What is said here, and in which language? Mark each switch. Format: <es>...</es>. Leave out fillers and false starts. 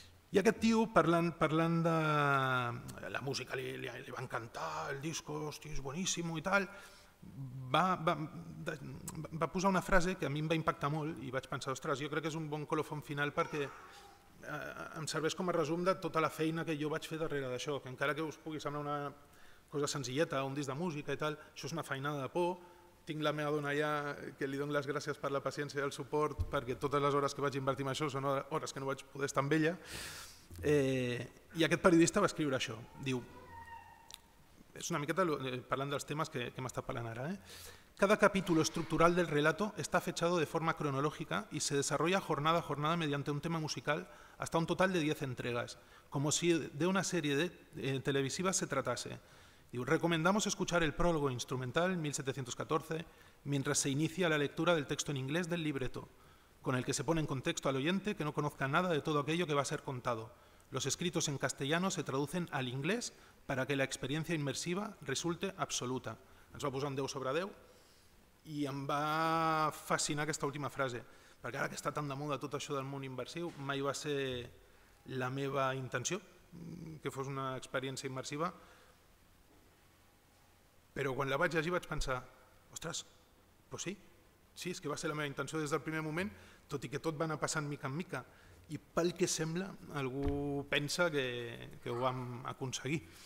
<ca>I aquest tio, parlant de la música, li va encantar, el disco, hòstia, és boníssimo i tal, va posar una frase que a mi em va impactar molt i vaig pensar, ostres, jo crec que és un bon colofón final perquè em serveix com a resum de tota la feina que jo vaig fer darrere d'això, que encara que us pugui semblar una cosa senzilleta, un disc de música i tal, això és una feinada de por. Tinc la meva dona allà, que li dono les gràcies per la paciència i el suport, perquè totes les hores que vaig invertir en això són hores que no vaig poder estar amb ella. I aquest periodista va escriure això. Diu, és una miqueta parlant dels temes que m'està parlant ara.</ca> <es>Cada capítulo estructural del relato está fechado de forma cronológica y se desarrolla jornada a jornada mediante un tema musical hasta un total de 10 entregas, como si de una serie televisiva se tratase. Digo, recomendamos escuchar el prólogo instrumental 1714 mientras se inicia la lectura del texto en inglés del libreto, con el que se pone en contexto al oyente que no conozca nada de todo aquello que va a ser contado. Los escritos en castellano se traducen al inglés para que la experiencia inmersiva resulte absoluta.</es> <ca>Ens va posar un 10 sobre 10 i em va fascinar aquesta última frase, perquè ara que està tan de moda tot això del món immersiu, mai va ser la meva intenció que fos una experiència immersiva, però quan la vaig llegir vaig pensar, ostres, doncs sí, és que va ser la meva intenció des del primer moment, tot i que tot va anar passant mica en mica, i pel que sembla algú pensa que ho vam aconseguir.</ca>